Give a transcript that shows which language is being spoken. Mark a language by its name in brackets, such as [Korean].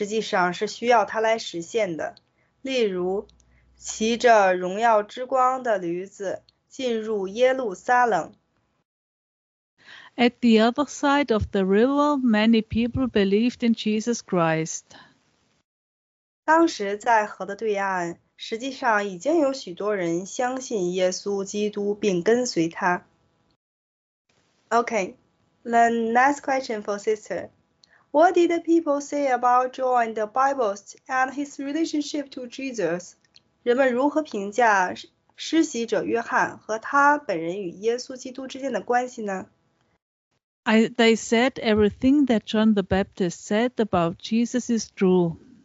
[Chinese] 而且在耶稣本人被钉在十字架之前，圣经中还有一部分内容实际上是需要他来实现的。例如，骑着荣耀之光的驴子进入耶路撒冷。At [English] the other side of the river, many people believed in Jesus Christ. [Chinese] 当时在河的对岸，实际上已经有许多人相信耶稣基督并跟随他。 [English] Okay, the next question for sister. What did the people say about John the Baptist and his relationship to Jesus? [Chinese] 人们如何评价施洗者约翰和他本人与耶稣基督之间的关系呢? [English] They said everything that John the Baptist said about Jesus is true.